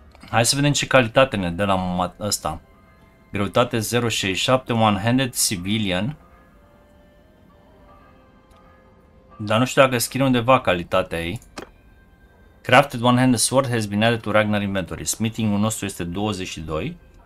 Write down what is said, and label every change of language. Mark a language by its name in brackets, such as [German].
[Romanian] Hai să vedem ce calitate ne dă la ăsta. Greutate 0.67, one-handed civilian. Dar nu știu dacă scrie undeva calitatea ei. [English] Crafted one-handed sword has been added to Ragnar inventory. [Romanian] Smithing-ul nostru este 22.